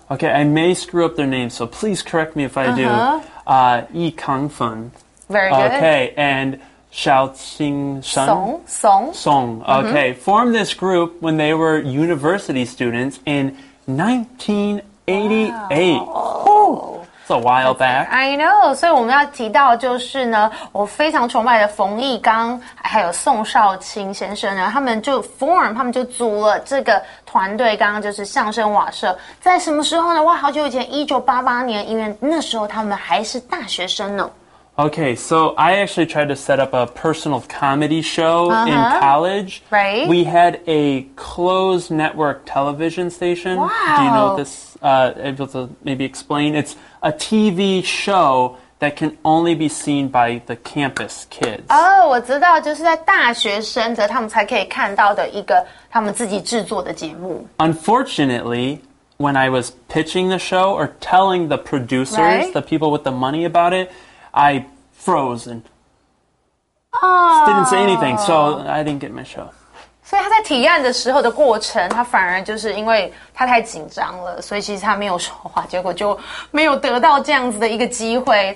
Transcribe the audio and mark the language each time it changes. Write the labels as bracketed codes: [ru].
[en] Okay, I may screw up their name, so please correct me if I do. Yi Kangfen. Very good. Okay, and Shaoqing Shen. Song. Okay, formed this group when they were university students in 1988. Wow. Oh, it's a while back. I know. [zh] 所以我们要提到就是呢，我非常崇拜的冯毅刚还有宋少卿先生呢，他们就组了这个团队，刚刚就是相声瓦舍。在什么时候呢？哇，好久以前，1988年，因为那时候他们还是大学生呢。 [en] Okay, so I actually tried to set up a personal comedy show in college. Right. We had a closed network television station. Wow. Do you know this? Able to maybe explain? It's a TV show that can only be seen by the campus kids. [zh] Oh, 我知道，就是在大学生的他们才可以看到的一个他们自己制作的节目。 [en] Unfortunately, when I was pitching the show or telling the producers, right? the people with the money about it,I frozen. Oh. Didn't say anything, so I didn't get my show. [zh] 所以他在提案的时候的过程，他反而就是因为他太紧张了，所以其实他没有说话，结果就没有得到这样子的一个机会。